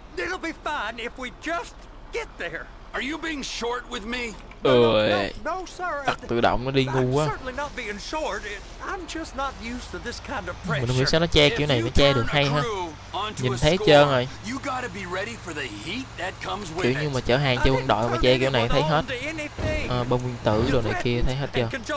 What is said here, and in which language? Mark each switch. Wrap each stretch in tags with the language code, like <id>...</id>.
<en>It'll be fine if we just get there. Are you being short with me? No, sir.</en> <vi>Đặt tự động nó đi ngu quá.</vi> <en>I'm certainly not being short. I'm just not used to this kind of pressure.</en> <vi>Mình không hiểu sao nó che kiểu này, nó che được hay ha. Nhìn thấy trơn rồi.</vi> <en>You gotta be ready for the heat that comes with</en> <vi>it. Kiểu như mà chở hàng cho quân đội mà che kiểu này thấy hết. Bom nguyên tử đồ này kia thấy hết chưa?</vi>